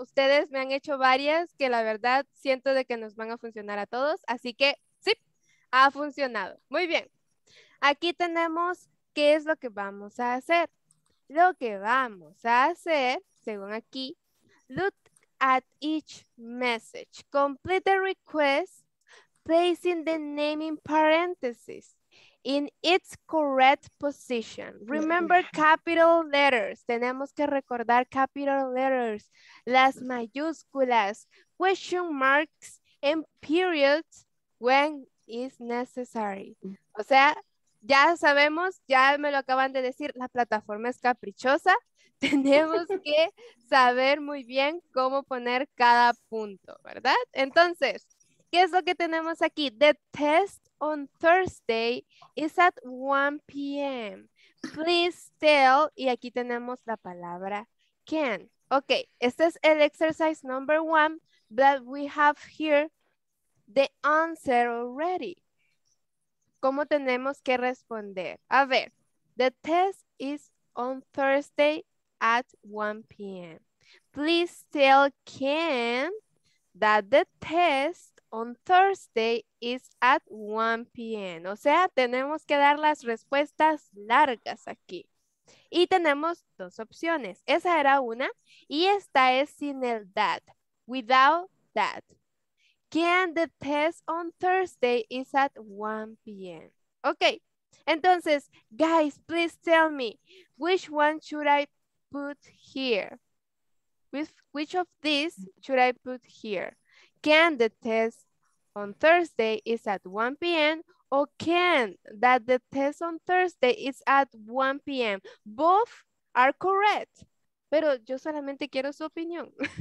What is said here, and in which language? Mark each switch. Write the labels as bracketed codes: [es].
[es] Ustedes me han hecho varias que la verdad siento de que nos van a funcionar a todos. Así que sí, ha funcionado. Muy bien. Aquí tenemos qué es lo que vamos a hacer. Lo que vamos a hacer, según aquí, [en] look at each message. Complete the request, placing the name in parentheses in its correct position. Remember capital letters. [es] Tenemos que recordar [en] capital letters, [es] las mayúsculas, [en] question marks, and periods when is necessary. [es] O sea, ya sabemos, ya me lo acaban de decir, la plataforma es caprichosa. Tenemos que saber muy bien cómo poner cada punto, ¿verdad? Entonces, ¿qué es lo que tenemos aquí? [en] The test on Thursday is at 1 p.m. Please tell, [es] y aquí tenemos la palabra can. [en] Ok, [es] este es el [en] exercise number one, but we have here the answer already. [es] ¿Cómo tenemos que responder? A ver, [en] the test is on Thursday at 1 p.m. Please tell Ken that the test on Thursday is at 1 p.m. [es] O sea, tenemos que dar las respuestas largas aquí. Y tenemos dos opciones. Esa era una y esta es sin el that, [en] without that. Can the test on Thursday is at 1 p.m. Okay, [es] entonces, [en] guys, please tell me, which one should I put here? Which of these should I put here? Can the test on Thursday is at 1 p.m. or can that the test on Thursday is at 1 p.m.? Both are correct, [es] pero yo solamente quiero su opinión.